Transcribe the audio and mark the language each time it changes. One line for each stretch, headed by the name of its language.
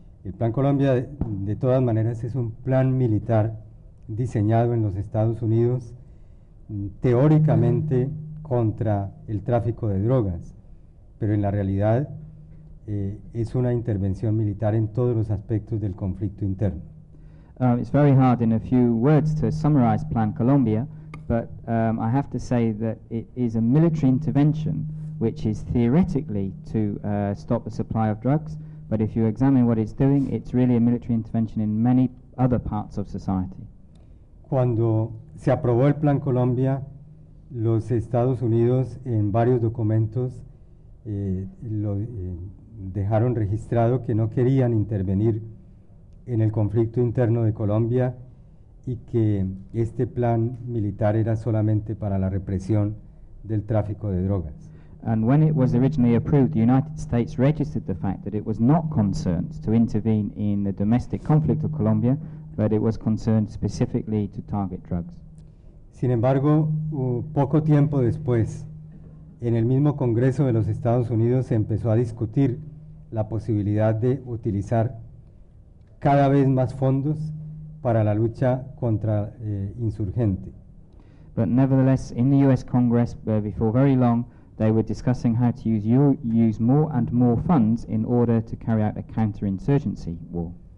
Spanish: El Plan Colombia, de todas maneras, es un plan militar diseñado en los Estados Unidos teóricamente contra el tráfico de drogas, pero en la realidad es una intervención militar en todos los aspectos del conflicto interno.
English: It's very hard in a few words to summarize Plan Colombia, but I have to say that it is a military intervention which is theoretically to stop the supply of drugs, But if you examine what it's doing, it's really a military intervention in many other parts of society.
Spanish: Cuando se aprobó el Plan Colombia, los Estados Unidos en varios documentos dejaron registrado que no querían intervenir en el conflicto interno de Colombia y que este plan militar era solamente para la represión del tráfico de drogas.
English: And when it was originally approved, the United States registered the fact that it was not concerned to intervene in the domestic conflict of Colombia, but it was concerned specifically to target drugs.
Spanish: Sin embargo, poco tiempo después, en el mismo Congreso de los Estados Unidos se empezó a discutir la posibilidad de utilizar cada vez más fondos para la lucha contra insurgente.
English: But nevertheless, in the US Congress, before very long, they were discussing how to use more and more funds in order to carry out a counterinsurgency war.